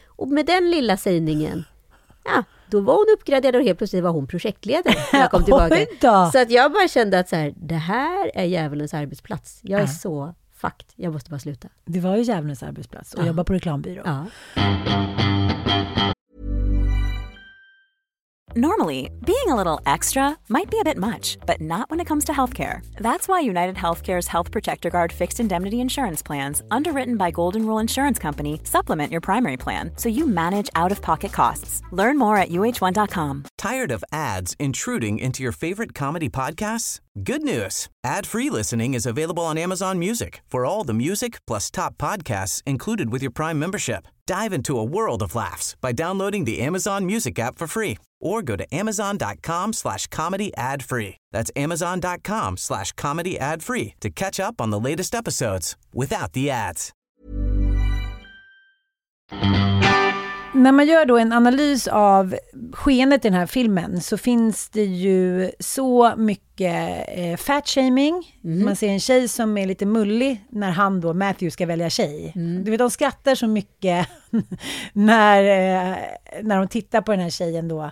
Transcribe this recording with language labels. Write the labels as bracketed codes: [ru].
[sv] Och med den lilla sägningen, ja, då var hon uppgraderad och helt plötsligt var hon projektledare när jag kom tillbaka. Så att jag bara kände att så här, det här är djävulens arbetsplats. Jag är så... Fakt, jag måste bara sluta. Det var ju djävulens arbetsplats och jobba på reklambyrå. Ja. [en] Normally, being a little extra might be a bit much, but not when it comes to healthcare. That's why United Healthcare's Health Protector Guard fixed indemnity insurance plans, underwritten by Golden Rule Insurance Company, supplement your primary plan so you manage out-of-pocket costs. Learn more at uh1.com. Tired of ads intruding into your favorite comedy podcasts? Good news. Ad-free listening is available on Amazon Music for all the music plus top podcasts included with your Prime membership. Dive into a world of laughs by downloading the Amazon Music app for free. Or go to amazon.com/comedyadfree. That's amazon.com/comedyadfree to catch up on the latest episodes without the ads. [sv] När man gör då en analys av skenet i den här filmen så finns det ju så mycket fatshaming. Mm. Man ser en tjej som är lite mullig när han då, Matthew, ska välja tjej. Mm. Du vet, de skrattar så mycket när de tittar på den här tjejen då.